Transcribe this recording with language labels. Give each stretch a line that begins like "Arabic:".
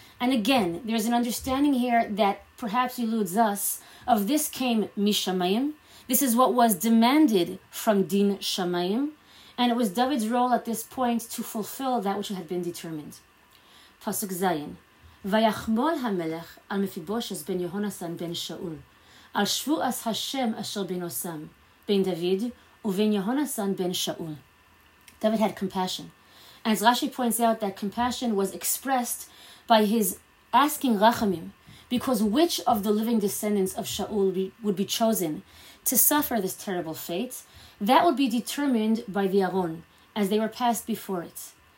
English: And again, there's an understanding here that perhaps eludes us of this came mishamayim. This is what was demanded from Din Shamayim. And it was David's role at this point to fulfill that which had been determined. Pasuk Zayin.
Hebrew: ויחמול המלך על מפיבושת בן יהונסן בן שאול, על שבועת השם אשר בינוסם, בן דוד ובן יהונסן בן שאול.
English: David had compassion. And as Rashi points out, that compassion was expressed by his asking Rachamim, because which of the living descendants of Shaul would be chosen to suffer this terrible fate, that would be determined by the Aron, as they were passed before it.